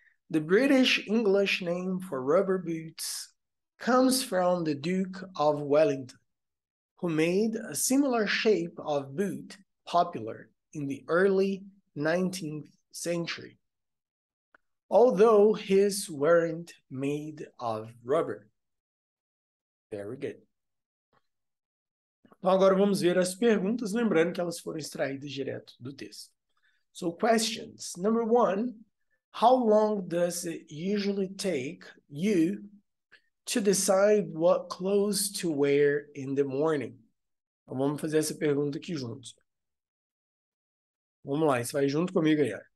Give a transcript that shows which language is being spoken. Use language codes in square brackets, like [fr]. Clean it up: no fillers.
[en] The British English name for rubber boots comes from the Duke of Wellington, who made a similar shape of boot popular in the early 19th century, although his weren't made of rubber. Very good. [pt] Então agora vamos ver as perguntas, lembrando que elas foram extraídas direto do texto. [en] So, questions. Number one. How long does it usually take you to decide what clothes to wear in the morning? [pt] Então, vamos fazer essa pergunta aqui juntos. Vamos lá, você vai junto comigo aí.